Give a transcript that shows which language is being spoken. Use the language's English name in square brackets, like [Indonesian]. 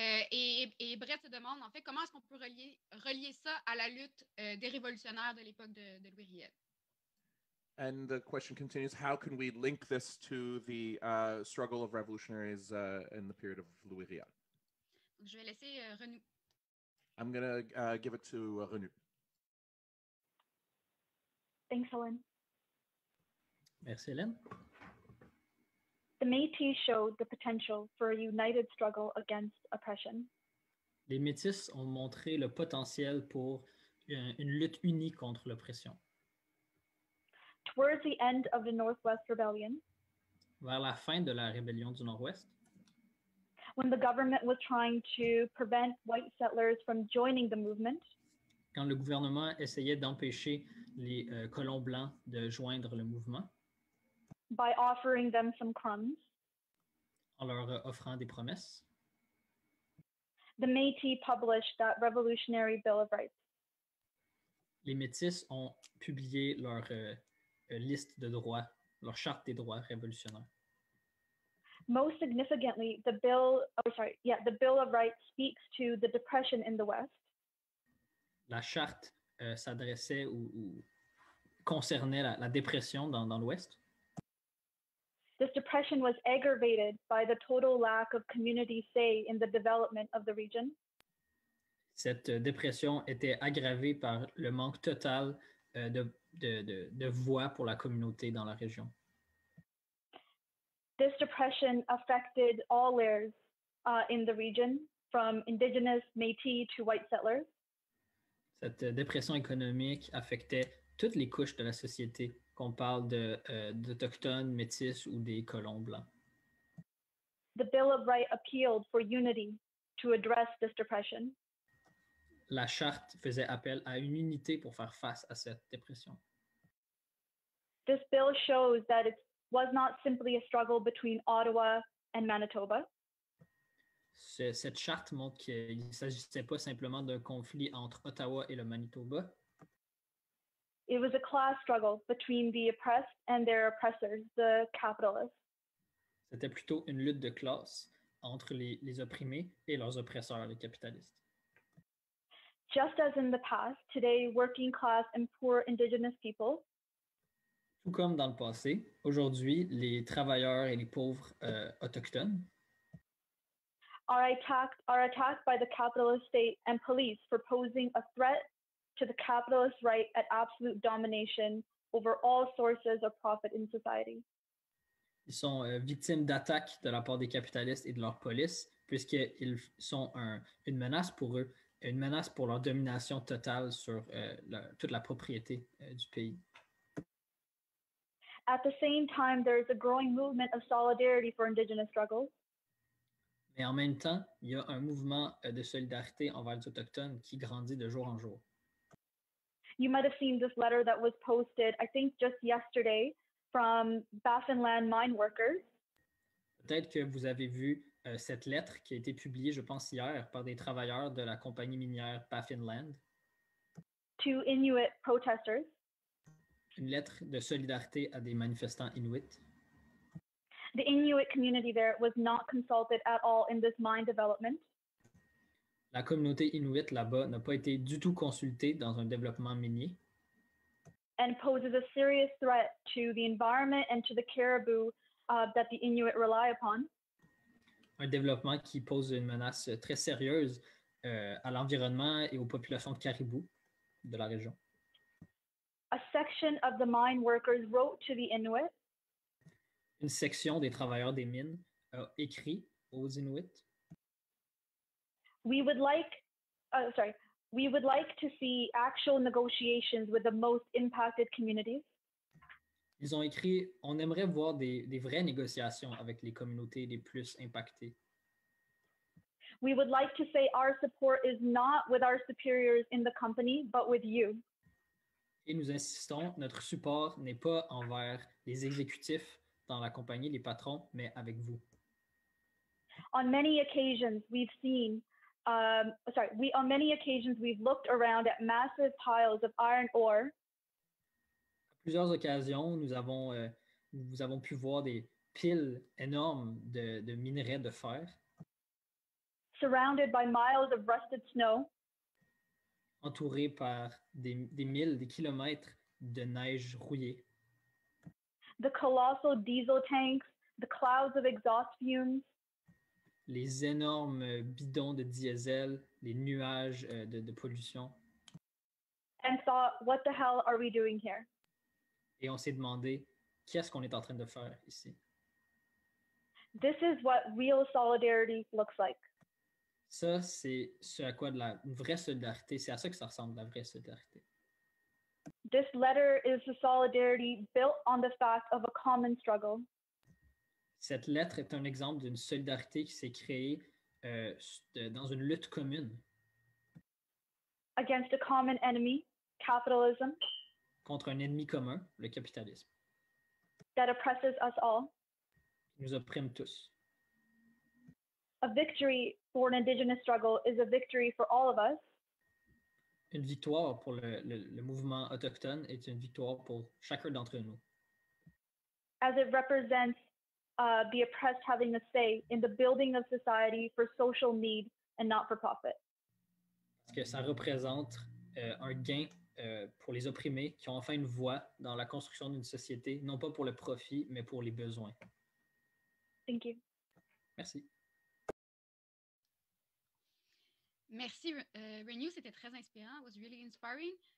[French] Et Brett se demande, en fait, comment est-ce qu'on peut relier ça à la lutte des révolutionnaires de l'époque de Louis Riel? [English] And the question continues, how can we link this to the struggle of revolutionaries in the period of Louis Riel? [French] Donc, je vais laisser Renew. [English] I'm going to give it to Renew. Thanks, Hélène. [French] Merci, Hélène. [English] The Métis showed the potential for a united struggle against oppression. [French] Les Métis ont montré le potentiel pour une lutte unie contre l'oppression. [English] Towards the end of the Northwest Rebellion, [French] vers la fin de la rébellion du Nord-Ouest, [English] when the government was trying to prevent white settlers from joining the movement, [French] quand le gouvernement essayait d'empêcher les colons blancs de joindre le mouvement, [English] by offering them some crumbs, [French] en leur offrant des promesses, [English] the Métis published that revolutionary Bill of Rights. [French] Les Métis ont publié leur liste de droits, leur charte des droits révolutionnaires. [English] Most significantly, the Bill of Rights speaks to the depression in the West. [French] La charte s'adressait ou concernait la dépression dans l'Ouest. [English] This depression was aggravated by the total lack of community say in the development of the region. [French] Cette dépression était aggravée par le manque total de voix pour la communauté dans la région. [English] This depression affected all layers in the region, from indigenous Métis to white settlers. [French] Cette dépression économique affectait toutes les couches de la société, qu'on parle d'autochtones, métis ou des colons blancs. [English] The Bill of Rights appealed for unity to address this depression. [French] La charte faisait appel à une unité pour faire face à cette dépression. [English] This bill shows that it was not simply a struggle between Ottawa and Manitoba. [French] Cette charte montre qu'il ne s'agissait pas simplement d'un conflit entre Ottawa et le Manitoba. [English] It was a class struggle between the oppressed and their oppressors, the capitalists. [French] C'était plutôt une lutte de classe entre les opprimés et leurs oppresseurs, les capitalistes. [English] Just as in the past, today working class and poor indigenous people. [French] Tout comme dans le passé, aujourd'hui les travailleurs et les pauvres autochtones [English] are attacked by the capitalist state and police for posing a threat to the capitalist right at absolute domination over all sources of profit in society. [French] Ils sont victimes d'attaques de la part des capitalistes et de leur police, puisqu'ils sont une menace pour eux, une menace pour leur domination totale sur toute la propriété du pays. [English] At the same time, there is a growing movement of solidarity for indigenous struggles. [French] Mais en même temps, il y a un mouvement de solidarité envers les autochtones qui grandit de jour en jour. [English] You might have seen this letter that was posted, I think, just yesterday from Baffinland mine workers. [French] Peut-être que vous avez vu cette lettre qui a été publiée, je pense, hier par des travailleurs de la compagnie minière Baffinland. [English] To Inuit protesters. [French] Une lettre de solidarité à des manifestants Inuits. [English] The Inuit community there was not consulted at all in this mine development. [French] La communauté Inuit là-bas n'a pas été du tout consultée dans un développement minier. [English] And poses a serious threat to the environment and to the caribou that the Inuit rely upon. [French] Un développement qui pose une menace très sérieuse à l'environnement et aux populations de caribous de la région. [English] A section of the mine workers wrote to the Inuit. [French] Une section des travailleurs des mines a écrit aux Inuits. [English] We would like to see actual negotiations with the most impacted communities. [French] Ils ont écrit, on aimerait voir des vraies négociations avec les communautés les plus impactées. [English] We would like to say our support is not with our superiors in the company, but with you. [French] Et nous insistons, notre support n'est pas envers les exécutifs dans la compagnie, les patrons, mais avec vous. [English] On many occasions, we've seen, on many occasions, we've looked around at massive piles of iron ore. [French] À plusieurs occasions, nous avons pu voir des piles énormes de minerais de fer. [English] Surrounded by miles of rusted snow. [French] Entouré par des milles, des kilomètres de neige rouillée. [English] The colossal diesel tanks, the clouds of exhaust fumes. [French] Les énormes bidons de diesel, les nuages de pollution. [English] And thought, what the hell are we doing here? [French] Et on s'est demandé, qu'est-ce qu'on est en train de faire ici? [English] This is what real solidarity looks like. [French] Ça, c'est ce à quoi de la vraie solidarité, c'est à ça que ça ressemble, la vraie solidarité. [English] This letter is the solidarity built on the fact of a common struggle. [French] Cette lettre est un exemple d'une solidarité qui s'est créée dans une lutte commune. [English] Against a common enemy, capitalism. [French] Contre un ennemi commun, le capitalisme. [English] That oppresses us all. [French] Qui nous opprime tous. [English] A victory for an indigenous struggle is a victory for all of us. [French] Une victoire pour le mouvement autochtone est une victoire pour chacun d'entre nous. [English] As it represents the oppressed having a say in the building of society for social need and not for profit. [French] Parce que ça représente un gain pour les opprimés qui ont enfin une voix dans la construction d'une société, non pas pour le profit, mais pour les besoins. [English] Thank you. [French] Merci. Merci, Renew, c'était très inspirant. [English] It was really inspiring.